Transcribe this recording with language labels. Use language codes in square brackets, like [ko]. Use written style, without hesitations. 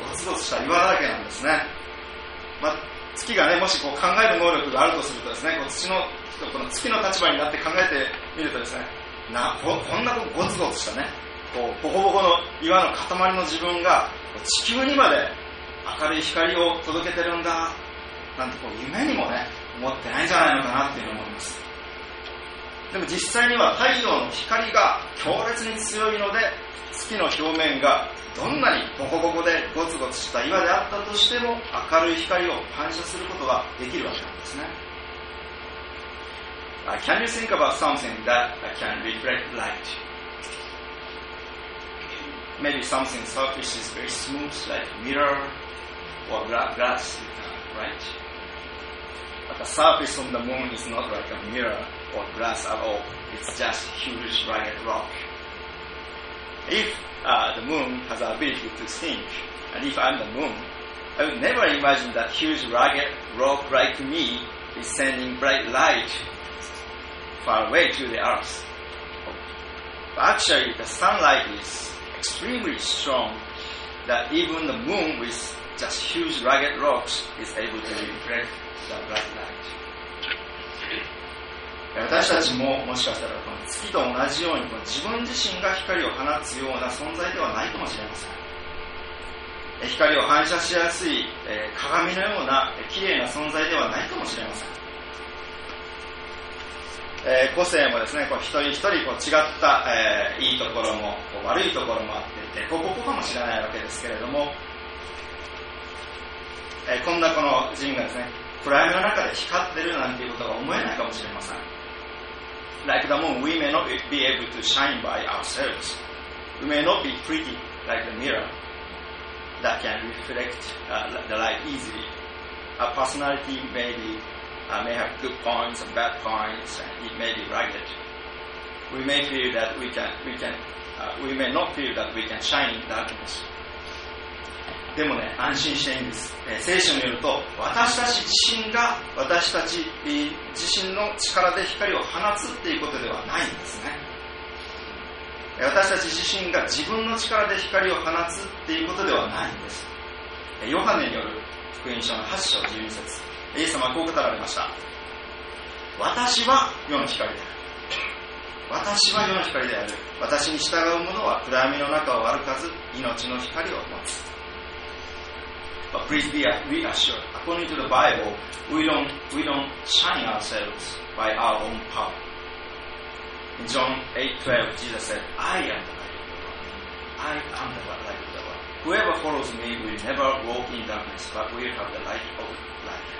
[ja] ゴツゴツした岩だらけなんですね。まあ、月がね、もしこう考える能力があるとするとですね、こう土の、この月の立場になって考えてみるとですね、こんなゴツゴツしたね、こうボコボコの岩の塊の自分が、地球にまで明るい光を届けてるんだ、なんてこう夢にもね、思ってないんじゃないのかなっていうふうに思います。でも実際には太陽の光が強烈に強いので、月の表面がどんなにボコボコでゴツゴツした岩であったとしても、明るい光を反射することができるわけなんですね。 [en] Can you think about something that can reflect light? Maybe something surface is very smooth like mirror or glass, right? But the surface on the moon is not like a mirroror glass at all. It's just huge ragged rock. If the moon has the ability to think, and if I'm the moon, I would never imagine that huge ragged rock like me is sending bright light far away to the earth. But actually, the sunlight is extremely strong that even the moon with just huge ragged rocks is able to reflect the bright light. [ja] 私たちももしかしたらこの月と同じように、この自分自身が光を放つような存在ではないかもしれません。光を反射しやすい、鏡のような綺麗な存在ではないかもしれません。個性もですね、こう一人一人こう違った、いいところもこう悪いところもあって、デコボコかもしれないわけですけれども、こんなこの人がですね、暗闇の中で光ってるなんていうことが思えないかもしれません。 [en] Like the moon, we may not be able to shine by ourselves. We may not be pretty like the mirror that can reflect the light easily. Our personality may have good points and bad points, and it may be ragged. We may feel that we may not feel that we can shine in darkness. [ja] でもね、安心していいんです。聖書によると、私たち自身が私たち自身の力で光を放つっていうことではないんですね。私たち自身が自分の力で光を放つっていうことではないんです。ヨハネによる福音書の8章12節、イエス様はこう語られました。私は世の光である。私は世の光である。私に従う者は暗闇の中を歩かず、命の光を持つ。 [en] But please be reassured, according to the Bible, we don't shine ourselves by our own power. In John 8:12, Jesus said, I am the light of the world. I am the light of the world. Whoever follows me will never walk in darkness, but will have the light of life.